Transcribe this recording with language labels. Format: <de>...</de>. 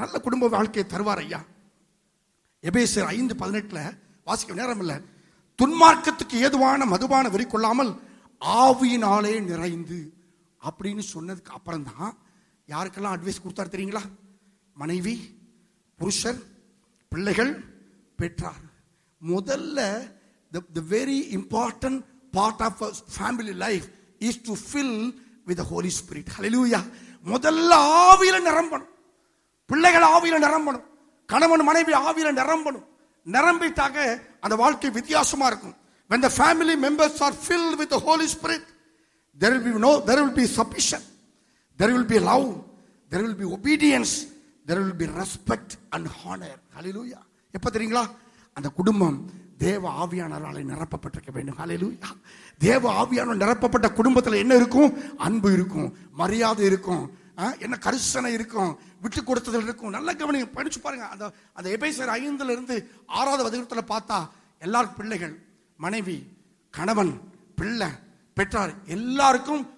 <ta>நல்ல குடும்ப வாழ்க்கையை தருவார் ஐயா. எபேசியர் 5:18 வாசிக்க நேரம் இல்ல. துன்மார்க்கத்துக்கு ஏதுவான மதுபான வெறி கொள்ளாமல் ஆவியினாலே நிறைந்து அப்படின்னு சொன்னதுக்கு அப்புறம் தான் யாருக்கெல்லாம் அட்வைஸ் கொடுத்தாரு தெரியுங்களா? மனைவி, புருஷர், பிள்ளைகள், பெற்றார். முதல்ல</ta> <en>the very important part of a family life is to fill with the Holy Spirit.</en> <ta>Hallelujah. முதல்ல ஆவியில நிரம்பணும். பிள்ளைகள் ஆவியில நிரம்பணும். கணவன் மனைவி ஆவியில நிரம்பணும். நிரம்பிட்டாக அந்த வாழ்க்கை வித்தியாசமா இருக்கும்.</ta> <en>When the family members are filled with the Holy Spirit, there will be sufficient, there will be love, there will be obedience, there will be respect and honor.</en> <ta>Hallelujah. எப்ப தெரியுங்களா? அந்த குடும்பம் தேவ ஆவியானவரால் நிரப்பப்பட்டிருக்க வேண்டும். ஹல்லேலூயா. தேவ ஆவியானவர் நிரப்பப்பட்ட குடும்பத்தில் என்ன இருக்கும்? அன்பு இருக்கும், மரியாதை இருக்கும், என்ன கரிசனை இருக்கும், விட்டு கொடுத்ததில் இருக்கும். நல்ல கவனிங்க, படிச்சு பாருங்க. அந்த அந்த எபேசியர் 5:6 வசனத்தில் பார்த்தா எல்லார் பிள்ளைகள், மனைவி, கணவன், பிள்ளை, பெற்றார், எல்லாருக்கும்</ta>